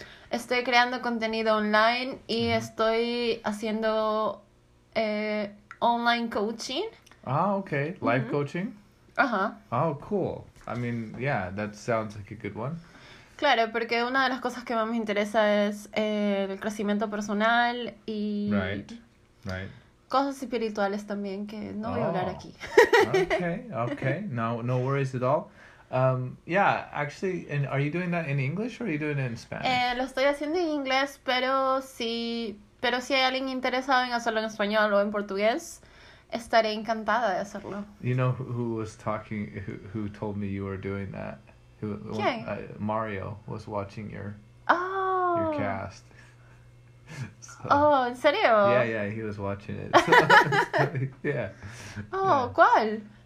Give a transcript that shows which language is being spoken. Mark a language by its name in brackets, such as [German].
[Spanish] Estoy creando contenido online y mm-hmm. estoy haciendo online coaching. [English] Ah, okay. Live mm-hmm. coaching? Uh-huh. Oh, cool. I mean, yeah, that sounds like a good one. [Spanish] Claro, porque una de las cosas que más me interesa es el crecimiento personal y [English] right. Right. [Spanish] cosas espirituales también que no voy a hablar aquí. [English] Okay. No worries at all. Yeah, actually, and are you doing that in English or are you doing it in Spanish? [Spanish] Lo estoy haciendo en inglés, pero si hay alguien interesado en hacerlo en español o en portugués, estaré encantada de hacerlo. [English] You know who was talking, who told me you were doing that? Mario was watching your cast. So, oh, [Spanish] ¿en serio? [English] Yeah, he was watching it. So, yeah. [Spanish] Oh, ¿cuál?